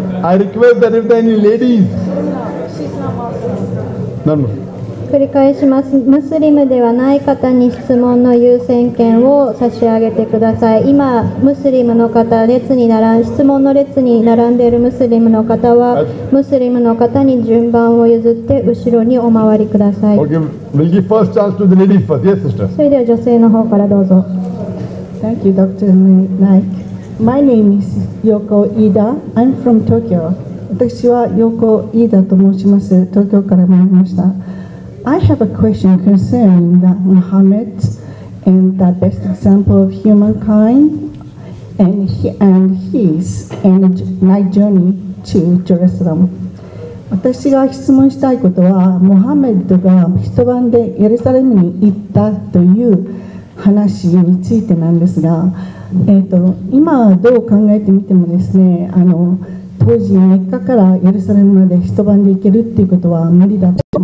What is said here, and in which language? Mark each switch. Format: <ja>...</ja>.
<en>I request that if there are any ladies. None.</en> <ja>繰り返します。ムスリムではない方に質問の優先権を差し上げてください。今、ムスリムの方、質問の列に並んでいるムスリムの方は、ムスリムの方に順番を譲って後ろにお回りください。</ja> <en>Okay. We'll give first chance to the ladies first. Yes, sister.</en> <ja>それでは女性の方からどうぞ。</ja> <en>Thank you, Dr. Naik. My name is Yoko Ida. I'm from Tokyo.</en> <ja>私は横井田と申します。東京から参りました。</ja> <en>I have a question concerning the Muhammad and the best example of humankind and, he, and his and my journey to Jerusalem.</en> <ja>私が質問したいことは、モハメッドが一晩でエルサレムに行ったという話についてなんですが、今どう考えてみてもですね、当時メッカからエルサレムまで一晩で行けるっていうことは無理だと。</ja>